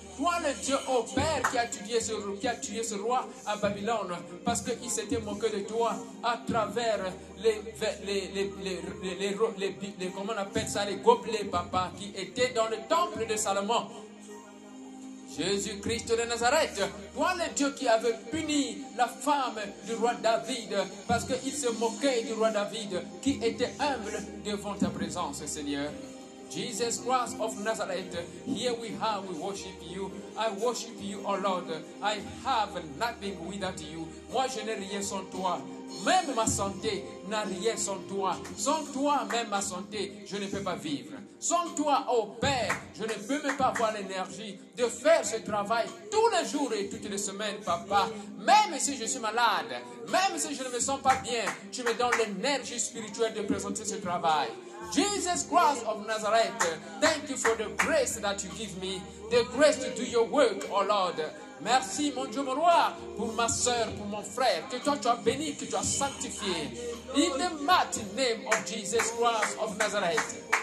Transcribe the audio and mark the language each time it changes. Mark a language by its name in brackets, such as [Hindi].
[French] Toi le Dieu au Père qui a tué ce roi à Babylone parce qu'il s'était moqué de toi à travers les gobelets, papa, qui étaient dans le temple de Salomon. Jésus-Christ de Nazareth, toi le Dieu qui avait puni la femme du roi David parce qu'il se moquait du roi David qui était humble devant ta présence, Seigneur. [English] Jesus Christ of Nazareth, here we are, we worship you. I worship you, oh Lord. I have nothing without you. [French] Moi, je n'ai rien sans toi. Même ma santé n'a rien sans toi. Sans toi, même ma santé, je ne peux pas vivre. Sans toi, oh Père, je ne peux même pas avoir l'énergie de faire ce travail tous les jours et toutes les semaines, Papa. Même si je suis malade, même si je ne me sens pas bien, tu me donnes l'énergie spirituelle de présenter ce travail. [English] Jesus Christ of Nazareth, thank you for the grace that you give me, the grace to do your work, oh Lord. [French] Merci, mon Dieu, mon roi, pour ma soeur, pour mon frère, que toi tu as béni, que tu as sanctifié. [English] In the mighty name of Jesus Christ of Nazareth.